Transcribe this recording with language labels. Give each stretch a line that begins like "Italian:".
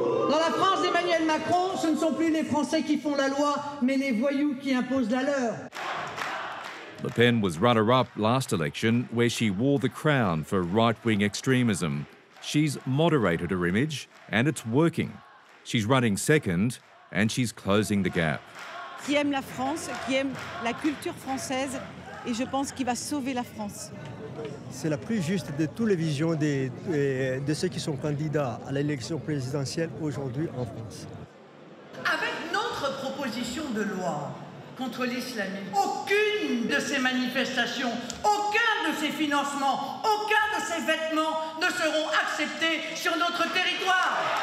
French: Dans la France d'Emmanuel Macron, ce ne sont plus les Français qui font la loi, mais les voyous qui imposent la leur.
English: Le Pen was runner-up last election, where she wore the crown for right-wing extremism. She's moderated her image, and it's working. She's running second, and she's closing the gap.
French: Qui aime la France, qui aime la culture française, et je pense qu'il va sauver la France. C'est la plus juste de toutes les visions de ceux qui sont candidats à l'élection présidentielle aujourd'hui en France. Avec notre proposition de loi contre l'islamisme, aucune de ces manifestations, aucun de ces financements, aucun de ces vêtements ne seront acceptés sur notre territoire.